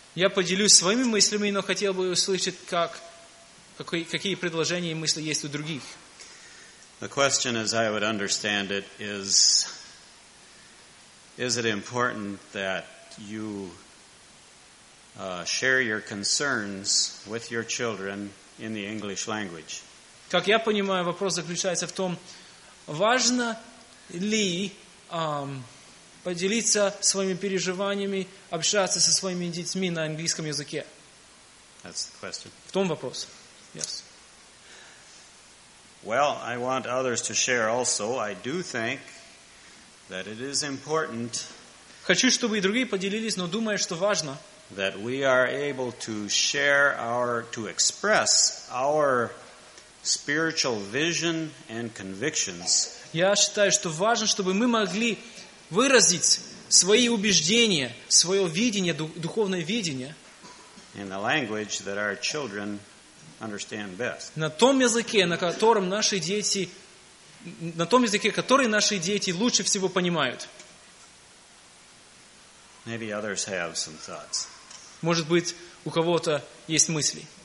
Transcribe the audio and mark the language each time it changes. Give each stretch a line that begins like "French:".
Russian: Я поделюсь своими мыслями, но хотел бы услышать, какие предложения и мысли есть у других.
English: The question, as I would understand it, is it important that you share your concerns with your children in the English language?
Russian: Как я понимаю, вопрос заключается в том, важно ли поделиться своими переживаниями, общаться со своими детьми на английском языке?
English: That's the question.
Russian: В том вопрос.
English: Yes. Well, I want others to share also. I do think that it is important.
Russian: Хочу, чтобы и другие поделились, но думаю, что важно.
English: That we are able to share to express our spiritual vision and convictions
Russian: Я считаю, что важно, чтобы мы могли выразить свои убеждения, свое видение, духовное видение
English: in the language that our children understand best.
Russian: На том языке, на котором наши дети, на том языке, который наши дети лучше всего понимают.
English: Maybe others have some thoughts.
Russian: Может быть, у кого-то есть мысли.